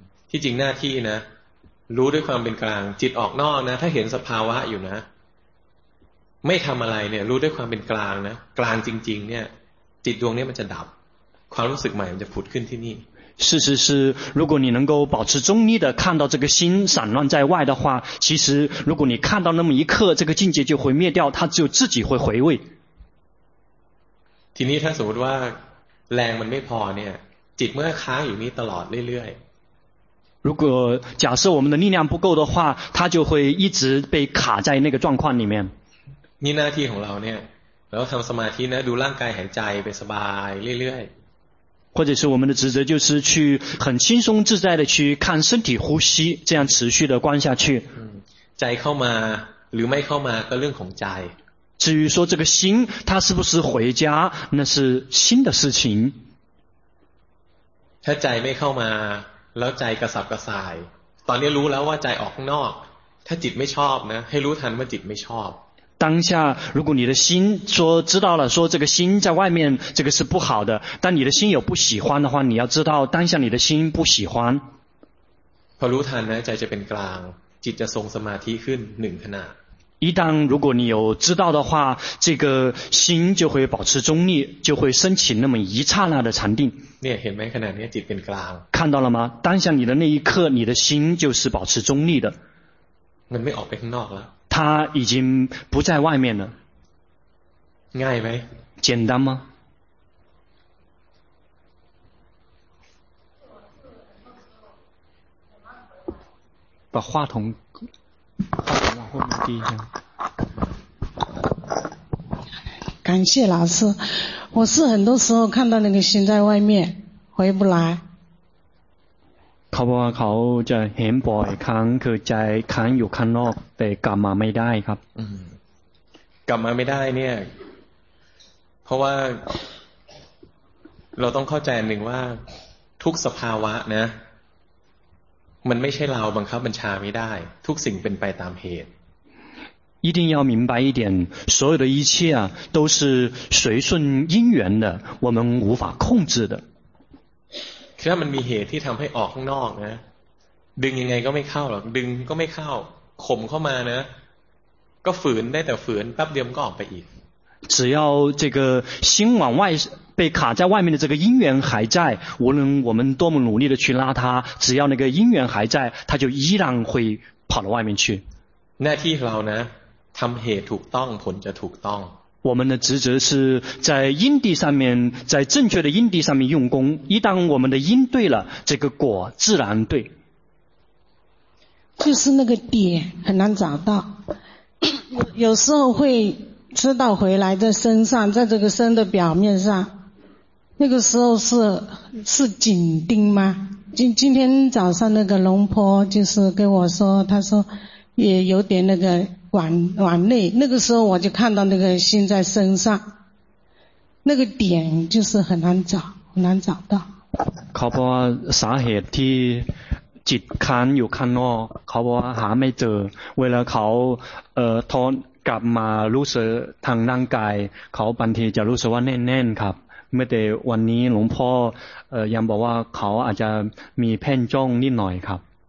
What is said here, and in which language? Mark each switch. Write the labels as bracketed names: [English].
[Thai] ที่จริงหน้าที่นะรู้ด้วยความเป็นกลางจิตออกนอกนะถ้าเห็นสภาวะอยู่นะไม่ทำอะไรเนี่ยรู้ด้วยความเป็นกลางนะกลางจริงๆเนี่ยจิตดวงนี้มันจะดับความรู้สึกใหม่มันจะผุดขึ้นที่นี่ [Chinese] 事实是如果你能够保持中立的看到这个心散乱在外的话其实如果你看到那么一刻这个境界就会灭掉它就自己会回味 [Thai] ทีนี้ถ้าสมมติว่าแรงมันไม่พอเนี่ยจิตเมื่อค้างอยู่นี้ตลอดเรื่อย [Chinese] ๆ如果假设我们的力量不够的话它就会一直被卡在那个状况里面 [Thai] นี่หน้าที่ของเราเนี่ยแล้วทำสมาธินะดูร่างกายหายใจไปสบายเรื่อย [Chinese] ๆ或者是我们的职责就是去很轻松自在的去看身体呼吸这样持续的观下去 [Thai] ใจเข้ามาหรือไม่เข้ามาก็เรื่องของใจ [Chinese] 至于说这个心它是不是回家那是心的事情 [Thai] ถ้าใจไม่เข้ามาแล้วใจกระสับกระส่ายตอนนี้รู้แล้วว่าใจออกนอกถ้าจิตไม่ชอบนะให้รู้ทันว่าจิตไม่ชอบ [Chinese] 当下如果你的心说知道了说这个心在外面这个是不好的但你的心有不喜欢的话你要知道当下你的心不喜欢 [Thai] พอรู้ทันนะใจจะเป็นกลางจิตจะทรงสมาธิขึ้นหนึ่งขณะ [Chinese] 一旦如果你有知道的话这个心就会保持中立就会升起那么一刹那的禅定 [Thai] เนี่ยเห็นไหมขณะนี้จิตเป็นกลาง [Chinese] 看到了吗当下你的那一刻你的心就是保持中立的 [Thai] มันไม่ออกไปข้างนอกแล้ว [Chinese] 它已经不在外面了 [Thai] ง่ายไหม [Chinese] 简单吗把话筒往后面递一下感谢老师我是很多时候看到那个心在外面回不来 [Thai] เขาบอกว่าเขาจะเห็นบ่อยครั้งคือใจค้างอยู่ข้างนอกแต่กลับมาไม่ได้ครับ กลับมาไม่ได้เนี่ยเพราะว่าเราต้องเข้าใจหนึ่งว่าทุกสภาวะนะมันไม่ใช่เราบังคับบัญชาไม่ได้ทุกสิ่งเป็นไปตามเหตุ [Chinese] 一定要明白一点所有的一切啊都是随顺因缘的我们无法控制的 [Thai] ถ้ามันมีเหตุที่ทำให้ออกข้างนอกนะดึงยังไงก็ไม่เข้าหรอกดึงก็ไม่เข้าข่มเข้ามานะก็ฝืนได้แต่ฝืนแป๊บเดียวก็ออกไปอีก [Chinese] 只要这个心往外被卡在外面的这个因缘还在无论我们多么努力的去拉它只要那个因缘还在它就依然会跑到外面去 [Thai] หน้าที่เรานะทำเหตุถูกต้องผลจะถูกต้อง [Chinese] 我们的职责是在因地上面在正确的因地上面用功一旦我们的因对了这个果自然对就是那个点很难找到有时候会知道回来的身上在这个身的表面上那个时候是紧盯吗今天早上那个龙婆就是跟我说他说也有点那个往内那个时候我就看到那个心在身上那个点就是很难找到 [Thai] เขาบอกว่าสาเหตุที่จิตค้างอยู่ข้างนอกเขาบอกว่าหาไม่เจอเวลาเขาทอนกลับมารู้สึกทางร่างกายเขาบางทีจะรู้สึกว่าแน่นๆครับเมื่อแต่วันนี้หลวงพ่อยังบอกว่าเขาอาจจะมีเพ่งจ้องนิดหน่อยครับ